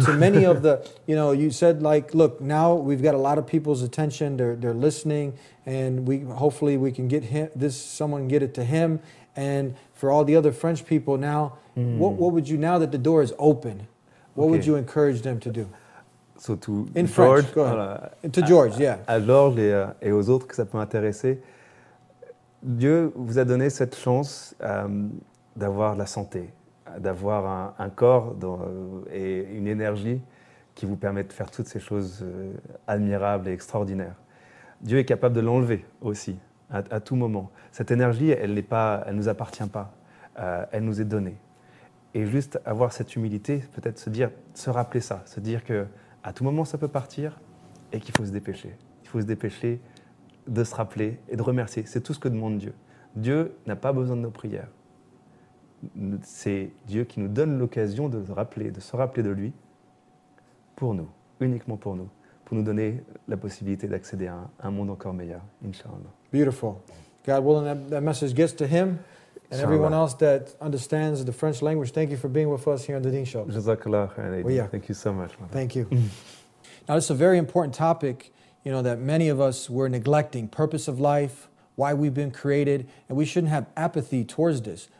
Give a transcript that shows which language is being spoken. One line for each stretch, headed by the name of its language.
English: So many of the, you know, you said like, look, now we've got a lot of people's attention. They're listening, and we hopefully we can get him, this someone get it to him, and for all the other French people now, what would you, now that the door is open, would you encourage them to do? So to in George, French, go ahead. To George, yeah.
French: Alors les et aux autres que ça peut intéresser, Dieu vous a donné cette chance. D'avoir la santé, d'avoir un corps et une énergie qui vous permet de faire toutes ces choses admirables et extraordinaires. Dieu est capable de l'enlever aussi, à tout moment. Cette énergie, elle nous appartient pas, elle nous est donnée. Et juste avoir cette humilité, peut-être se rappeler ça, se dire qu'à tout moment ça peut partir et qu'il faut se dépêcher. Il faut se dépêcher de se rappeler et de remercier. C'est tout ce que demande Dieu. Dieu n'a pas besoin de nos prières. C'est Dieu qui nous donne l'occasion de se rappeler de lui pour nous, uniquement pour nous donner la possibilité d'accéder à un monde encore meilleur, Inch'Allah.
English: Beautiful. God willing, that message gets to him and everyone else that understands the French language. Thank you for being with us here on the Deen Show. Jazakallah khair, Aidy. Well, yeah. Thank you so much. Thank you. Now, this is a very important topic, you know, that many of us were neglecting. Purpose of life, why we've been created, and we shouldn't have apathy towards this.